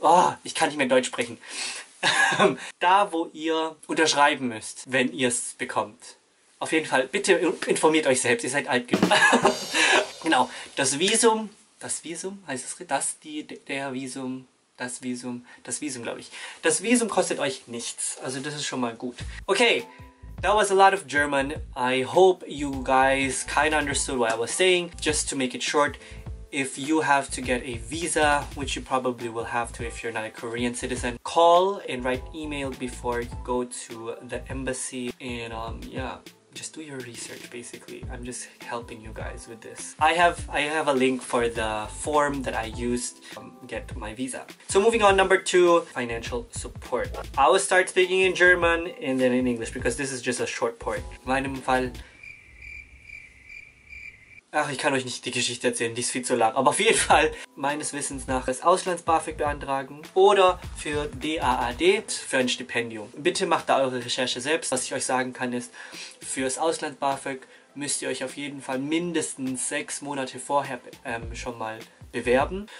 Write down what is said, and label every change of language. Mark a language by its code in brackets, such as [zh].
[de] Oh, ich kann nicht mehr Deutsch sprechen. Da, wo ihr unterschreiben müsst, wenn ihr es bekommt. Auf jeden Fall, bitte informiert euch selbst, ihr seid alt genug. Genau, das Visum kostet euch nichts, also das ist schon mal gut. [en] Okay, that was a lot of German. I hope you guys kind of understood what I was saying. Just to make it short, if you have to get a visa, which you probably will have to if you're not a Korean citizen, call and write email before you go to the embassy and yeah. Just do your research, basically. I'm just helping you guys with this. I have a link for the form that I used to get my visa. So moving on, number 2, financial support. I will start speaking in German and then in English because this is just a short part. [de] In meinem Fall... Ach, ich kann euch nicht die Geschichte erzählen, die ist viel zu lang. Aber auf jeden Fall, meines Wissens nach, das Auslands-BAföG beantragen oder für DAAD, für ein Stipendium. Bitte macht da eure Recherche selbst. Was ich euch sagen kann ist, für das Auslands-BAföG müsst ihr euch auf jeden Fall mindestens 6 Monate vorher schon mal bewerben.